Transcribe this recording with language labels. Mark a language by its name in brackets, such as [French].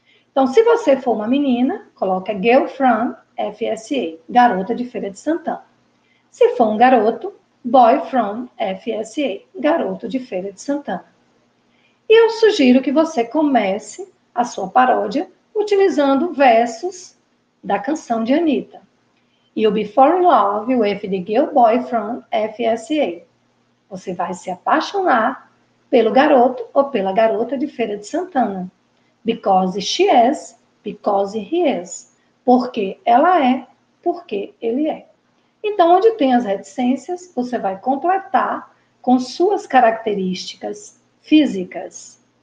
[Portuguese] Então, se você for uma menina, coloca [English] Girl from FSA, [Portuguese] Garota de Feira de Santana. Se for um garoto, [English] Boy from FSA, [Portuguese] Garoto de Feira de Santana. E eu sugiro que você comece a sua paródia utilizando versos da canção de Anitta. [English] You'll be falling in love with the girl boy from FSA. [Portuguese] Você vai se apaixonar pelo garoto ou pela garota de Feira de Santana. [English] Because she is, because he is. [Portuguese] Porque ela é, porque ele é. Então, onde tem as reticências, você vai completar com suas características físicas.